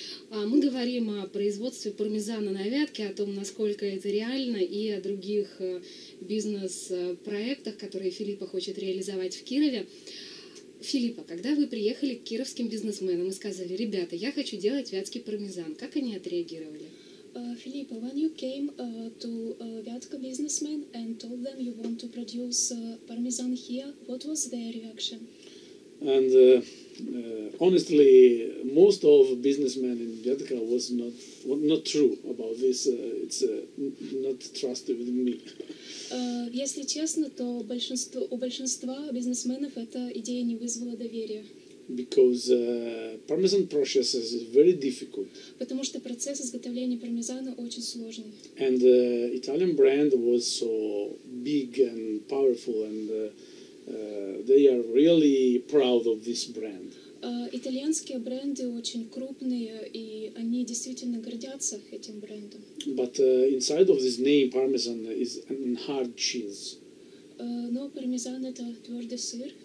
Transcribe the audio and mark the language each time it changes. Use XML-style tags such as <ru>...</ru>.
<ru>Мы говорим о производстве пармезана на вятке, о том, насколько это реально, и о других бизнес-проектах, которые Филиппо хочет реализовать в Кирове. Филиппо, когда вы приехали к кировским бизнесменам и сказали: «Ребята, я хочу делать вятский пармезан», как они отреагировали?</ru> <en>Филиппо, when you came to Vyatka businessmen and told them you want to produce parmesan here, what was their reaction? And honestly, most of businessmen in Vyatka was not true about this. It's not trusted with me.</en> <ru>Если честно, то у большинства бизнесменов эта идея не вызвала доверия.</ru> <en>Because parmesan process is very difficult.</en> <ru>Потому что процесс изготовления пармезана очень сложный.</ru> <en>And the Italian brand was so big and powerful, and they are really proud of this brand.</en> <ru>Итальянские бренды очень крупные, и они действительно гордятся этим брендом.</ru> <en>But inside of this name, parmesan is a hard cheese.</en> <ru>Но пармезан — это твердый сыр.</ru>